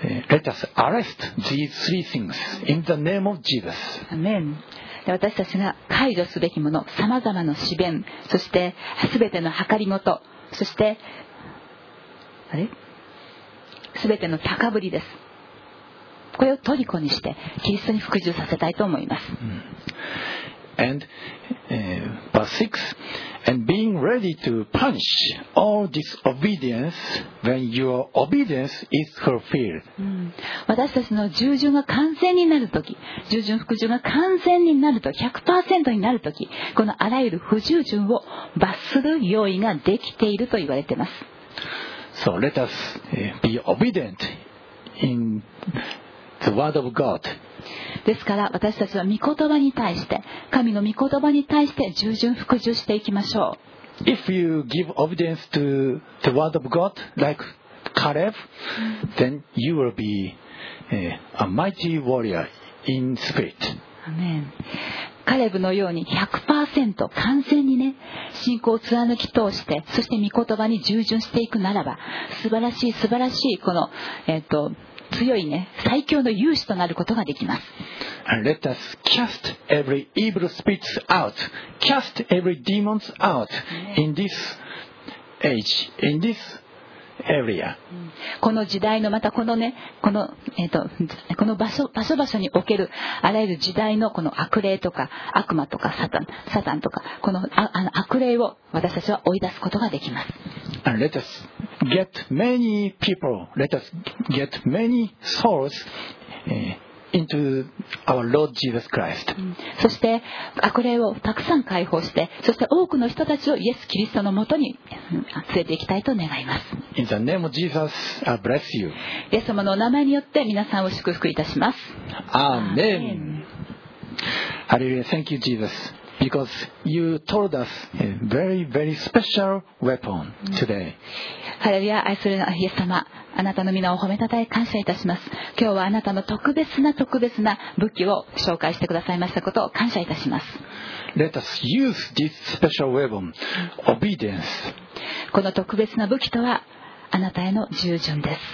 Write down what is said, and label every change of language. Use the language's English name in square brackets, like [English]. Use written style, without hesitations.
[English] Let us arrest these three things in the name of Jesus. Amen. [Japanese] 私たちが解除すべきもの、さまざまな詩弁、そしてすべての計りごと、そしてあれ、すべての高ぶりです。これを虜にして、キリストに服従させたいと思います。 [English] And verse 6, and being ready to punish all disobedience when your obedience is fulfilled.、 [Japanese] うん、私たちの従順が完全になるとき、従順服従が完全になると 100% になるとき、このあらゆる不従順を罰する用意ができていると言われています。 [English] So let us be obedient in the word of God. [Japanese] ですから私たちは御言葉に対して、神の御言葉に対して従順服従していきましょう。 [English] If you give obedience to the word of God like Caleb, then you will be a mighty warrior in spirit. [Japanese] アメン。カレブのように 100% 完全にね、信仰を貫き通して、そして御言葉に従順していくならば、素晴らしい素晴らしいこの強いね、最強の勇士となることができます。 [English] And let us cast every evil spirit out, cast every demons out in this age, in this area. [Japanese] この時代の、またこのね、この、この場所におけるあらゆる時代のこの悪霊とか悪魔とかサタンとか、この悪霊を私たちは追い出すことができます。 [English] And let us get many people, let us get many souls into our Lord Jesus Christ. [Japanese] そして悪霊をたくさん解放して、そして多くの人たちをイエス・キリストのもとに連れていきたいと願います。 [English] In the name of Jesus, I bless you. [Japanese] イエス様のお名前によって皆さんを祝福いたします。 [English] Amen. Hallelujah. Thank you, Jesus. Because you told us a very, very special weapon today. [Japanese] ハレルヤ、愛するイエス様、あなたの皆を褒めたたえ感謝いたします。今日はあなたの特別な特別な武器を紹介してくださいましたことを感謝いたします。 [English] Let us use this special weapon, obedience. [Japanese] この特別な武器とは、あなたへの従順です。